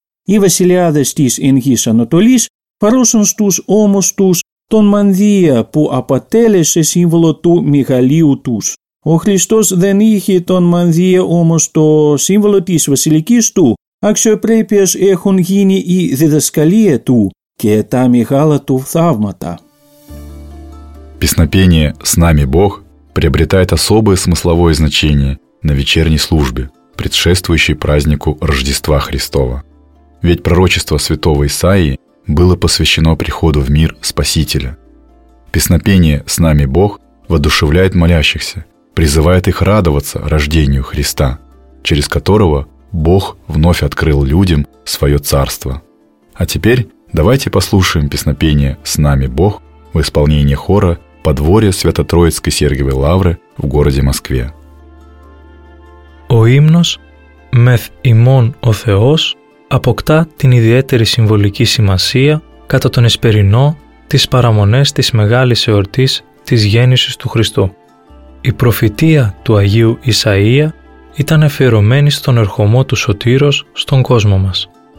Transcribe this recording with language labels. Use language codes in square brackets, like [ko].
[el] Οι βασιλιάδες της εν γης Ανατολής παρούσαν στους ώμους τους τον Μανδύα που αποτέλεσε σύμβολο του μεγαλείου τους. Ο Χριστός δεν είχε τον Μανδύα όμως το σύμβολο της βασιλικής του. Αξιοπρέπειες έχουν γίνει η διδασκαλία του και τα μεγάλα του θαύματα. [ru] Песнопение «С нами Бог» приобретает особое смысловое значение на вечерней службе, предшествующей празднику Рождества Христова. Ведь пророчество святого Исаии было посвящено приходу в мир Спасителя. Песнопение «С нами Бог» воодушевляет молящихся, призывает их радоваться рождению Христа, через которого Бог вновь открыл людям свое Царство. А теперь давайте послушаем песнопение «С нами Бог» в исполнении хора «Подворье Свято-Троицкой Сергиевой Лавры» в городе Москве. [el] Ο ύμνος «Μεθ ημών ο Θεός» αποκτά την ιδιαίτερη συμβολική σημασία κατά τον εσπερινό της παραμονές της μεγάλης εορτής της γέννησης του Χριστού. Η προφητεία του Αγίου Ισαΐα ήταν αφιερωμένη στον ερχομό του Σωτήρος στον κόσμο μας.